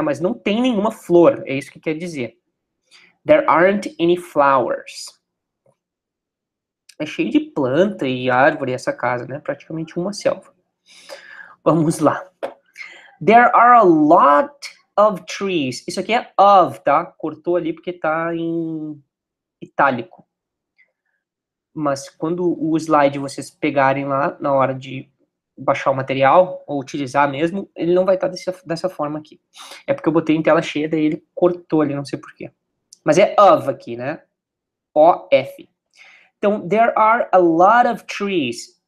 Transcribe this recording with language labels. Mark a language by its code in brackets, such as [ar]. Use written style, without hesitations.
[pt] Mas não tem nenhuma flor, é isso que quer dizer. [en] There aren't any flowers. [pt] É cheio de planta e árvore essa casa, né? Praticamente uma selva. Vamos lá. [en] There are a lot of trees. [pt] Isso aqui é of, tá? Cortou ali porque tá em itálico. Mas quando o slide vocês pegarem lá na hora de baixar o material, ou utilizar mesmo, ele não vai estar dessa forma aqui. É porque eu botei em tela cheia, daí ele cortou ali, não sei porquê. Mas é of aqui, né? O-F. [en] Então, there are a lot of trees.